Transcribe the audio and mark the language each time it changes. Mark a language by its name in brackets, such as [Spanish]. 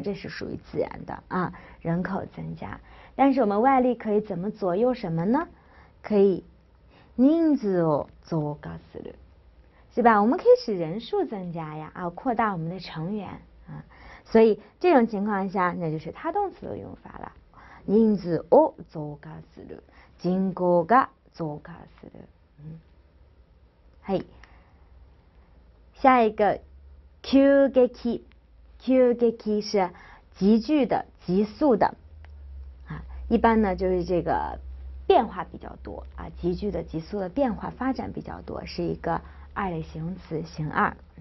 [Chinese] 这是属于自然的啊，人口增加。但是我们外力可以怎么左右什么呢？可以 [Japanese] 人数を増加する， [Chinese] 是吧？我们可以使人数增加呀，啊，扩大我们的成员啊。所以这种情况下，那就是他动词的用法了。 [Japanese] 人数を増加する，人口が増加する。 [Chinese] 嘿。下一个，急激，急激是急剧的、急速的，啊，一般呢就是这个变化比较多啊，急剧的、急速的变化发展比较多，是一个二类形容词，形二。